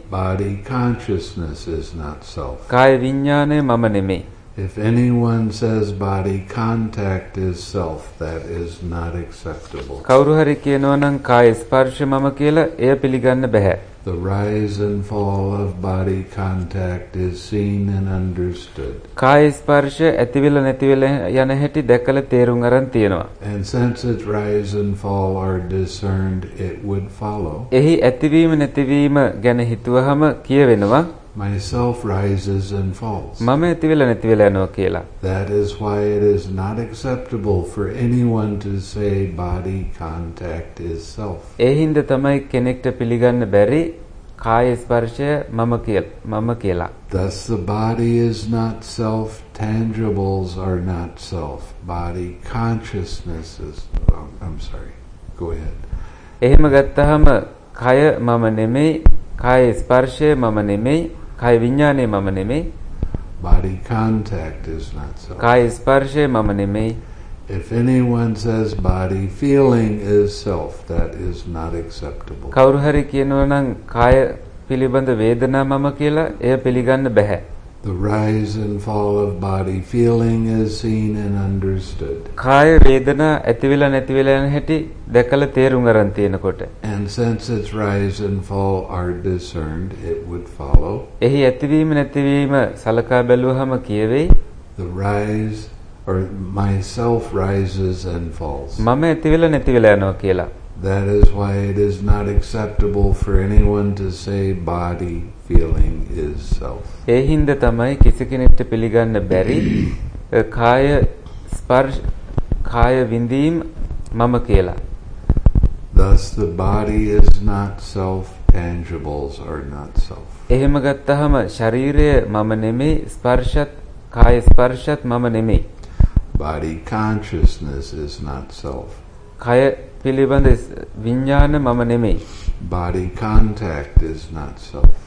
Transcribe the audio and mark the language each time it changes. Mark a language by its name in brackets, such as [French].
[English] Body consciousness is not self. [Sinhala] කාය විඥානය මම නෙමෙයි. [English] If anyone says body contact is self, that is not acceptable. [Sinhala] කවුරු හරි කියනවා නම් කාය ස්පර්ශ මම කියලා එය පිළිගන්න බෑ. [English] The rise and fall of body contact is seen and understood. [Sinhala] කාය ස්පර්ශ ඇතිවිලා නැතිවිලා යන හැටි දැකලා තේරුම් අරන් තියෙනවා. [English] And since its rise and fall are discerned, it would follow. [Sinhala] එහි ඇතිවීම නැතිවීම ගැන හිතුවහම කියවෙනවා. [English] Myself rises and falls. [Sinhala] මම ඇතිවිලා නැතිවිලා යනවා කියලා. [English] That is why it is not acceptable for anyone to say body contact is self. [Sinhala] ඒ හින්දා තමයි කෙනෙක්ට පිළිගන්න බැරි කාය ස්පර්ශය මම කියලා. [English] Thus the body is not self, tangibles are not self, body consciousness is I'm sorry. Go ahead. [Sinhala] එහෙම ගත්තහම කය මම නෙමෙයි කාය ස්පර්ශය මම නෙමෙයි, කාය විඥානය මම නෙමෙයි. [English] Body contact is not self. [Sinhala] කාය ස්පර්ශය මම නෙමෙයි. [English] If anyone says body feeling is self, that is not acceptable. [Sinhala] කවුරු හරි කියනවා නම් කාය පිළිබඳ වේදනා මම කියලා එය පිළිගන්න බෑ. [English] The rise and fall of body feeling is seen and understood. [Sinhala] කාය වේදනා ඇතිවිලා නැතිවිලා යන හැටි දැකලා තේරුම් ගන්න තියෙනකොට. [English] And since its rise and fall are discerned, it would follow. [Sinhala] එහි ඇතිවීම නැතිවීම සලකා බැලුවහම කියවේ. [English] The rise or myself rises and falls. [Sinhala] මම ඇතිවිලා නැතිවිලා යනවා කියලා. [English] That is why it is not acceptable for anyone to say body feeling is self. [Sinhala] ඒ හින්ද තමයි කිසි කෙනෙක්ට පිළිගන්න බැරි කාය ස්පර්ශ කාය විඳීම් මම කියලා. [English] Thus the body is not self, tangibles are not self. [Sinhala] එහෙම ගත්තහම ශරීරය මම නෙමෙයි, ස්පර්ශත් කාය ස්පර්ශත් මම නෙමෙයි. [English] Body consciousness is not self. [Sinhala] කාය පිළිබඳ විඥාන මම නෙමෙයි. [English] Body contact is not self.